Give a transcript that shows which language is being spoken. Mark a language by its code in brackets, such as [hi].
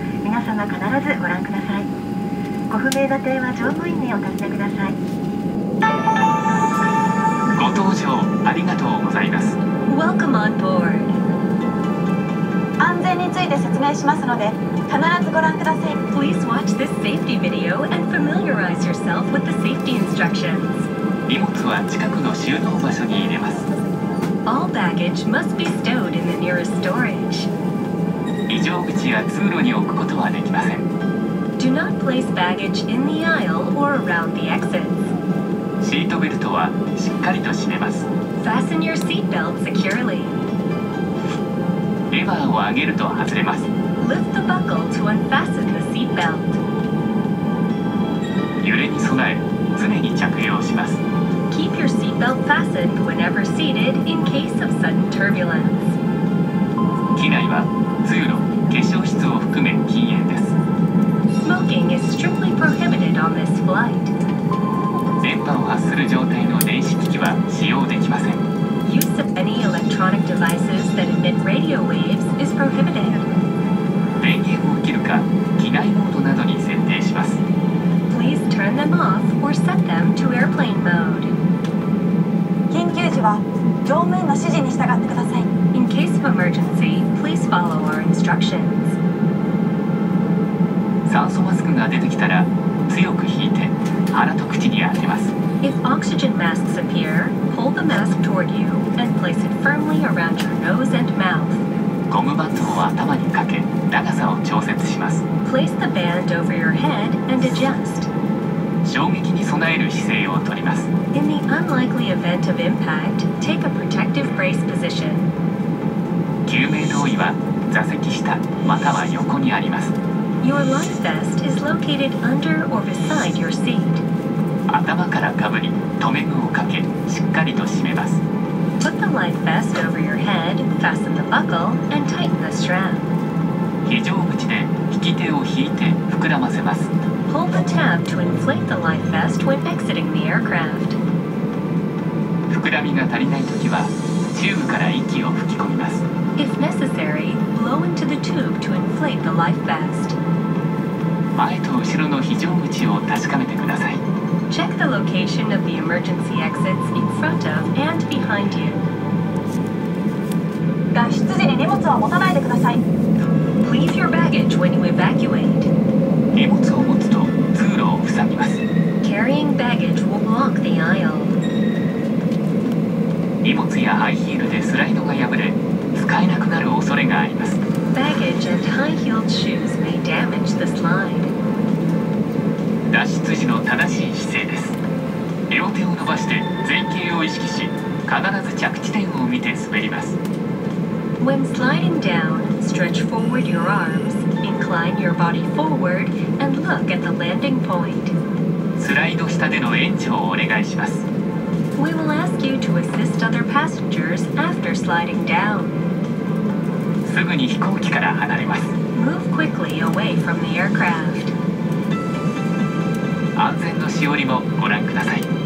[ja] 皆様必ずご覧ください。ご不明な点は乗務員にお尋ねください。ご搭乗ありがとうございます。 [en] Welcome on board. [ja] 安全について説明しますので必ずご覧ください。 [en] Please watch this safety video and familiarize yourself with the safety instructions. [ja] 荷物は近くの収納場所に入れます。 [en] All baggage must be stowed in the nearest storage. [ja] 異常口や通路に置くことはできません。 [en] Do not place baggage in the aisle or around the exits. [ja] シートベルトはしっかりと締めます。 [en] Fasten your seat belt securely. [ja] レバーを上げると外れます。 [en] Lift the buckle to unfasten the seat belt. [ja] 揺れに備え、常に着用します。 [en] Keep your seat belt fastened whenever seated in case of sudden turbulence. [ja] 機内は通路、化粧室を含め禁煙です。 [en] Smoking is strictly prohibited on this flight. [ja] 電波を発する状態の電子機器は使用できません。 [en] Use of any electronic devices that emit radio radio waves is prohibited. [ja] 電源を切るか、機内モードなどに設定します。 [en] Please turn them off or set them to airplane mode. [ja] 緊急時は乗務員の指示に従ってください。 [en] In case of emergency, please follow our instructions. [ja] 酸素マスクが出てきたら、強く引いて鼻と口に当てます。 [en] If oxygen masks appear, pull the mask toward you and place it firmly around your nose and mouth. [ja] ゴムバンドを頭にかけ、長さを調節します。 [en] Place the band over your head and adjust. [ja] 衝撃に備える姿勢をとります。 [en] In the unlikely event of impact, take a protective brace position. [ja] 救命胴衣は座席下または横にあります。 [en] Your life vest is located under or beside your seat. [ja] 頭からかぶり、留め具をかけ、しっかりと締めます。 [en] Put the life vest over your head, fasten the buckle, and tighten the strap. [ja] 非常口で引き手を引いて膨らませます。 [en] Pull the tab to inflate the life vest when exiting the aircraft. [ja] 膨らみが足りないときは、チューブから息を吹き込みます。 [en] If necessary, blow into the tube to inflate the life vest. [ja] 前と後ろの非常口を確かめてください。 [en] Check the location of the emergency exits in front of and behind you. [ja] 脱出時に荷物は持たないでください。 [en] Leave your baggage when you evacuate. [ja] 荷物を持つと通路を塞ぎます。 [en] Carrying baggage will block the aisle. [ja] 荷物やハイヒールでスライドが破れ、使えなくなる恐れがあります。 [en] Baggage and high-heeled shoes may damage the slide. [ja] 脱出時の正しい姿勢です。両手を伸ばして前傾を意識し、必ず着地点を見て滑ります。 [en] When sliding down, stretch forward your arms, incline your body forward and look at the landing point. [ja] スライド下での援助をお願いします。 [en] We will ask you to assist other passengers after sliding down. [ja] すぐに飛行機から離れます。 [en] Move quickly away from the aircraft. [ja] 安全のしおりもご覧ください。